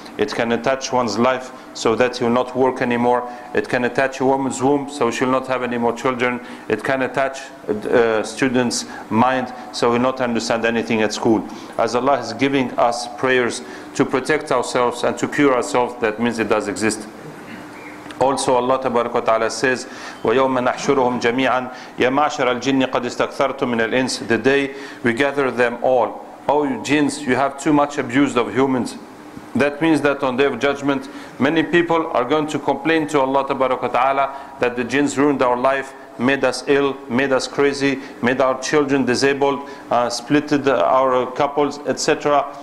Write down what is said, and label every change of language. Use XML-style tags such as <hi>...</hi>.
<en>It can attach one's life so that he will not work anymore. It can attach a woman's womb so she will not have any more children. It can attach a student's mind so he will not understand anything at school. As Allah is giving us prayers to protect ourselves and to cure ourselves, that means it does exist. Also, Allah tabaraka wa ta'ala says,</en> <ar>وَيَوْمَ نَحْشُرُهُمْ جَمِيعًا يَا مَعْشَرَ الْجِنِّ قَدْ اسْتَكْثَرْتُمْ مِنَ الْإِنْسِ.</ar> <en>The day we gather them all. Oh, you jinns, you have too much abused of humans. That means that on Day of Judgment, many people are going to complain to Allah tabaraka wa ta'ala that the jinns ruined our life, made us ill, made us crazy, made our children disabled, splitted our couples, etc.</en>